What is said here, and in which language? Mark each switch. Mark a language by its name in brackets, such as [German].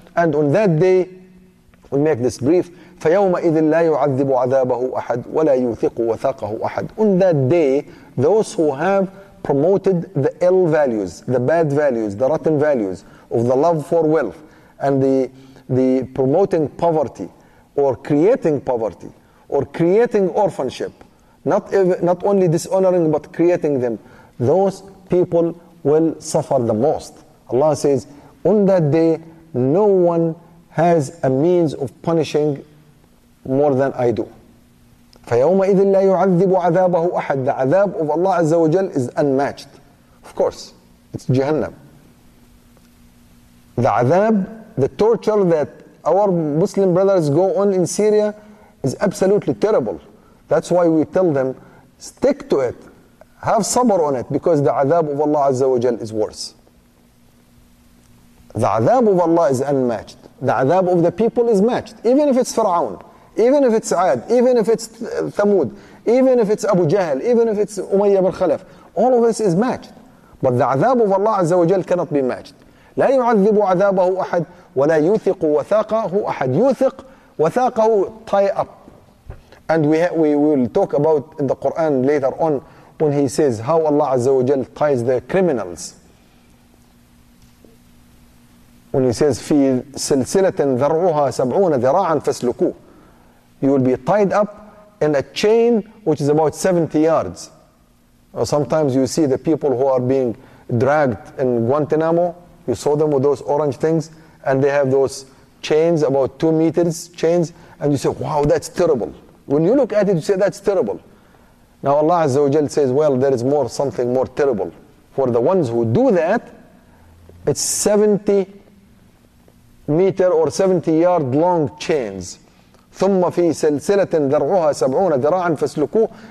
[English] And on that day, we make this brief, [Arabic] فَيَوْمَئِذٍ لَا يُعَذِّبُ عَذَابَهُ أَحَدٌ وَلَا يُوثِقُ وَثَاقَهُ أَحَدٌ [English] On that day, those who have promoted the ill values, the bad values, the rotten values of the love for wealth and the promoting poverty or creating poverty or creating orphanship, not only dishonoring but creating them, those people will suffer the most. Allah says, on that day, no one has a means of punishing more than I do. [Arabic] فيومئذ لا يعذب عذابه أحد. [English] The عذاب of Allah Azza wa Jal is unmatched. Of course, it's Jahannam. The عذاب, the torture that our Muslim brothers go on in Syria is absolutely terrible. That's why we tell them, stick to it. Have sabr on it, because the عذاب of Allah Azza wa Jal is worse. The عذاب of Allah is unmatched. The عذاب of the people is matched. Even if it's Fir'aun, even if it's Ad, even if it's Thamud, even if it's Abu Jahl, even if it's Umayyah bin Khalaf, all of this is matched. But the عذاب of Allah Azza wa Jal cannot be matched. [Arabic] لا يعذب عذابه أحد ولا يوثق وثاقه أحد. يوثق وثاقه, [English] tie up. And we will talk about in the Quran later on when he says how Allah Azza wa Jal ties the criminals. When he says, [Arabic] في سلسلة ذرعها سبعون ذراعا فاسلكوه. [English] You will be tied up in a chain which is about 70 yards. Sometimes you see the people who are being dragged in Guantanamo. You saw them with those orange things, and they have those chains, about 2 meters chains. And you say, wow, that's terrible. When you look at it, you say, that's terrible. Now Allah Azza wa Jal says, well, there is more, something more terrible. For the ones who do that, it's 70 meter or 70 yard long chains. [Arabic] ثم في سلسلة ذرعها سبعون ذراعا فاسلكوه.